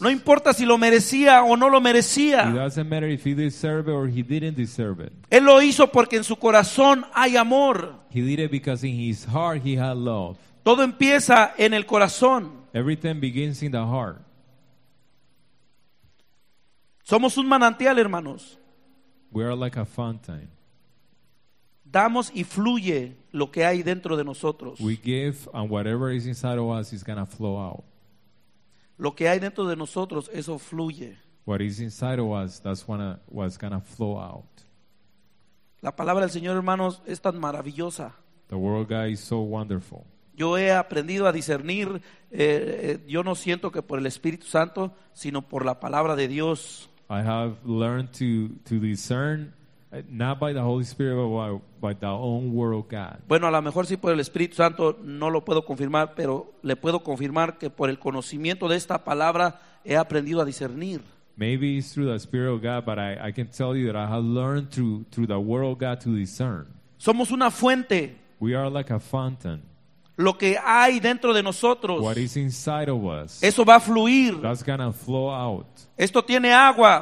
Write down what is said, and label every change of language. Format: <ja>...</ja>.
<es>No importa si lo merecía o no lo merecía.</es> <en>It doesn't matter if he deserved it or he didn't deserve it.</en> <es>Él lo hizo porque en su corazón hay amor.</es> <en>He did it because in his heart he had love.</en> <es>Todo empieza en el corazón.</es> <en>Everything begins in the heart.</en> <es>Somos un manantial, hermanos.</es> <en>We are like a fountain.</en> <es>Damos y fluye lo que hay dentro de nosotros.</es> <en>We give and whatever is inside of us is going to flow out.</en> <es>Lo que hay dentro de nosotros, eso fluye.</es> <en>What is inside of us, that's what's going to flow out.</en> <es>La palabra del Señor, hermanos, es tan maravillosa.</es> <en>The word of God is so wonderful.</en> <es>Yo he aprendido a discernir, yo no siento que por el Espíritu Santo, sino por la palabra de Dios.</es> <en>I have learned to discern. Not by the Holy Spirit, but by the own word of God.</en> <es>Bueno, a lo mejor sí por el Espíritu Santo, no lo puedo confirmar, pero le puedo confirmar que por el conocimiento de esta palabra he aprendido a discernir.</es> <en>Maybe it's through the Spirit of God, but I can tell you that I have learned through the word of God to discern.</en> <es>Somos una fuente.</es> <en>We are like a fountain.</en> <es>Lo que hay dentro de nosotros,</es> <en>what is inside of us,</en> <es>eso va a fluir.</es> <en>That's gonna flow out.</en> <es>Esto tiene agua.</es>